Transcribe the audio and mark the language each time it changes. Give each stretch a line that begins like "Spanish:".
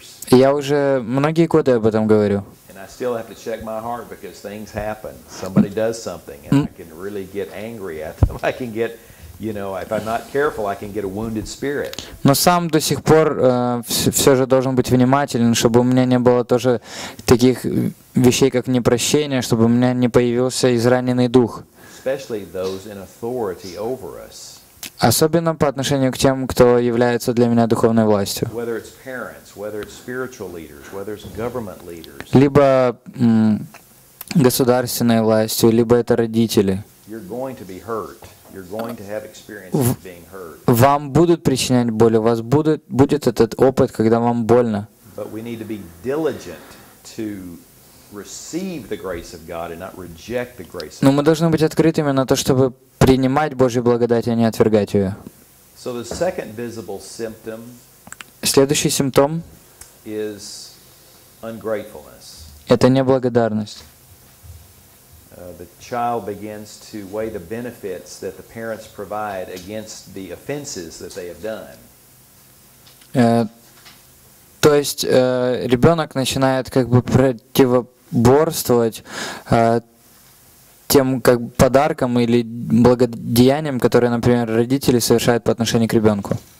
Russian: Я уже многие годы об этом говорю.
English: I still have to check my heart because things happen. Somebody does something, and I can really get angry at them. I can get, you know, if I'm not careful, I can get a wounded spirit.
Russian: Но сам до сих пор все же должен быть внимателен, чтобы у меня не было тоже таких вещей, как непрощение, чтобы у меня не появился израненный дух.
English: Especially those in authority over us.
Russian: Особенно по отношению к тем, кто является для меня духовной властью.
English: Whether it's parents, whether it's spiritual leaders, whether it's government leaders.
Russian: Либо государственной властью, либо это родители.
English: You're going to be hurt. You're going to have experience being hurt.
Russian: Вам будут причинять боль, у вас будет этот опыт, когда вам больно.
English: But we need to be diligent to receive the grace of God and not reject the grace of God.
Russian: Но мы должны быть открытыми на то, чтобы принимать Божью благодать, а не отвергать ее.
English: So the second visible symptom.
Russian: Следующий симптом
English: is ungratefulness.
Russian: Это неблагодарность.
English: The child begins to weigh the benefits that the parents provide against the offenses that they have done.
Russian: То есть ребенок начинает как бы противоборствовать тем как подарком или благодеянием, которые, например, родители совершают по отношению к ребенку.